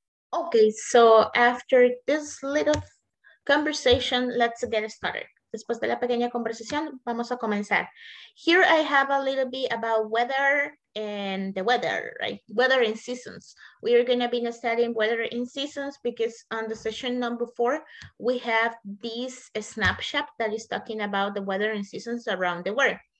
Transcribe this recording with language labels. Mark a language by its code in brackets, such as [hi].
[en] Ok, so after this little conversation, let's get started. [es] Después de la pequeña conversación, vamos a comenzar. [en] Here I have a little bit about weather and the weather, right? Weather and seasons. We are going to be studying weather and seasons because on the session number 4, we have this snapshot that is talking about the weather and seasons around the world.